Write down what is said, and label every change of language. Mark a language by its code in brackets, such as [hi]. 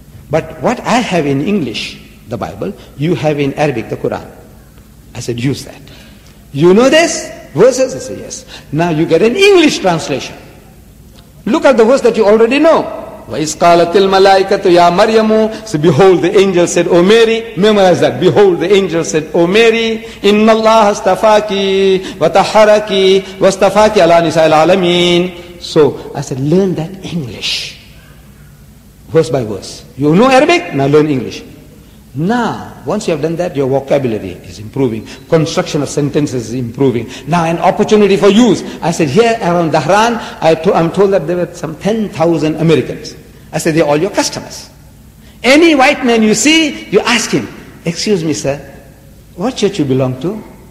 [en] But what I have in English, the Bible, you have in Arabic, the Quran. I said, use that. You know this? Verses? I said, yes. Now you get an English translation. Look at the verse that you already know. [ar] وَإِسْقَالَتِ الْمَلَائِكَةُ يَا مَرْيَمُ [en] So behold, the angel said, O Mary. Memorize that. Behold, the angel said, O Mary. [ar] إِنَّ اللَّهَ اسْتَفَاكِ وَتَحَرَكِ وَاسْتَفَاكِ عَلَىٰ نِسَاءِ الْعَالَمِينَ [en] So I said, learn that English. Verse by verse. You know Arabic? Now learn English. Now, once you have done that, your vocabulary is improving. Construction of sentences is improving. Now, an opportunity for use. I said, here around Dhahran, I'm told that there were some 10,000 Americans. I said, they're all your customers. Any white man you see, you ask him, excuse me, sir, what church you belong to?